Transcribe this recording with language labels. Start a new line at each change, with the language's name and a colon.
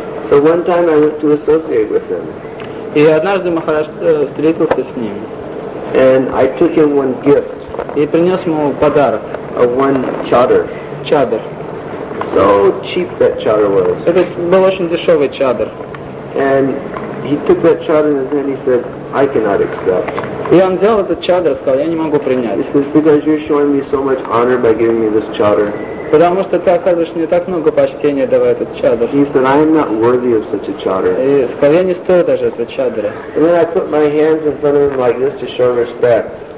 English: So one time I went to associate with him.
Russian: И однажды Махарадж встретился с ним.
English: And I took him one gift.
Russian: И принес ему подарок.
English: One chadar.
Russian: Чадр.
English: So cheap that chadar was.
Russian: Это был очень дешевый чадр.
English: And he took that chadar and then he said, I cannot accept.
Russian: И он взял этот чадра, сказал, я не могу принять.
English: It's because you're showing me so much honor by giving me this chadra.
Russian: Потому что ты оказываешь мне так много почтения, давая этот чадр.
English: He said, I am not worthy of such a chadra.
Russian: И сказал, я не стою даже этого чадра.
English: And then I put my hands in front of him like this to show respect.